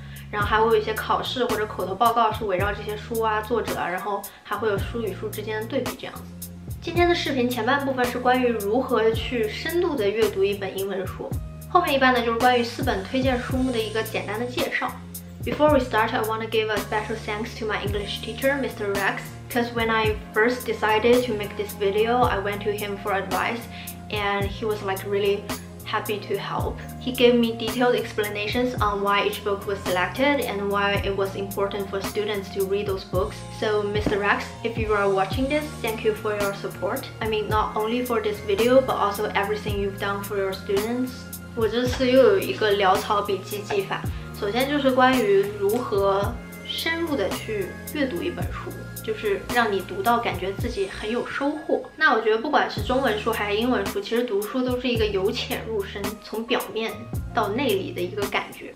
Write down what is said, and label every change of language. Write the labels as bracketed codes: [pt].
[zh] 然后还会有一些考试或者口头报告是围绕这些书啊、作者啊，然后还会有书与书之间的对比这样子。今天的视频前半部分是关于如何去深度的阅读一本英文书，后面一半呢就是关于四本推荐书目的一个简单的介绍。 [en] Before we start, I want to give a special thanks to my English teacher, Mr. Rex, because when I first decided to make this video, I went to him for advice, and he was like really happy to help. He gave me detailed explanations on why each book was selected and why it was important for students to read those books. So Mr. Rex, if you are watching this, thank you for your support. I mean, not only for this video, but also everything you've done for your students. [zh] 我这次又有一个潦草笔记技法，首先就是关于如何深入的去阅读一本书，就是让你读到感觉自己很有收获。那我觉得不管是中文书还是英文书，其实读书都是一个由浅入深，从表面到内里的一个感觉。